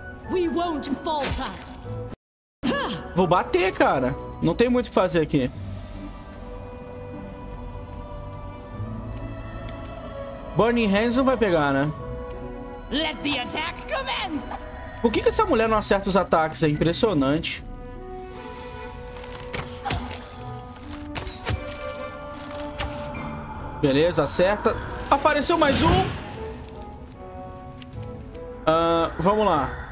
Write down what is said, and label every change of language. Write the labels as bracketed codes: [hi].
[en] We won't falter. [pt] Vou bater, cara. Não tem muito o que fazer aqui. Burning Hands não vai pegar, né? [en] Let the attack commence. [pt] Por que que essa mulher não acerta os ataques? É impressionante. Beleza, acerta. Apareceu mais um. Vamos lá.